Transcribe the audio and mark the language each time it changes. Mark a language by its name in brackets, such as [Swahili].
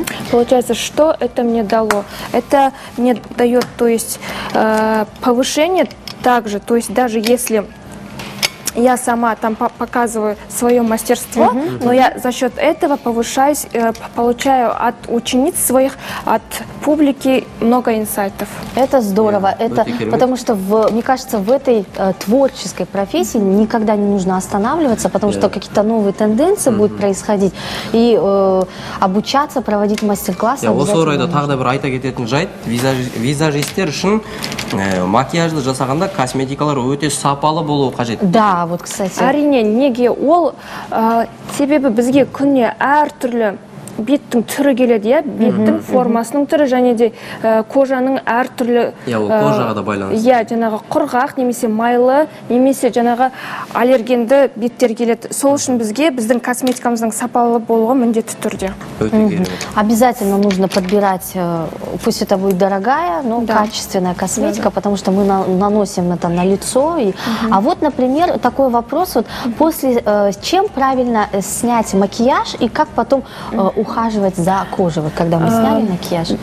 [Russian] Получается, что это мне дало? Это мне дает, то есть, повышение также, то есть даже если я сама там показываю свое мастерство, но я за счет этого повышаюсь, получаю от учениц своих, от публики много инсайтов. Это здорово. Это потому что, мне кажется, в этой творческой профессии никогда не нужно останавливаться, потому что какие-то новые тенденции будут происходить. И обучаться, проводить мастер-классы обязательно. Я тогда [Kazakh] бір айта кететін жайт, визажистер үшін макияжды жасағанда косметикалар өте сапалы болуы қажет. [Russian] Да. Вот, кстати. [Kazakh] Әрине, неге ол себебі бізге күнне әр түрлі беттің түрі келеді, беттің формасының түрі және де кожаның әр түрлі кожаға да байланысты. Жаңағы құрғақ, немесе майлы, немесе жаңағы аллергенді беттер келеді. Сол үшін бізге біздің косметикамыздың сапалы болуы міндетті түрде. [Russian] Обязательно нужно подбирать, пусть это будет дорогая, но качественная косметика, потому что мы наносим это на лицо. А вот, например, такой вопрос, вот после чем правильно снять макияж и как потом ухаживать за кожей, вот когда мы сняли макияж.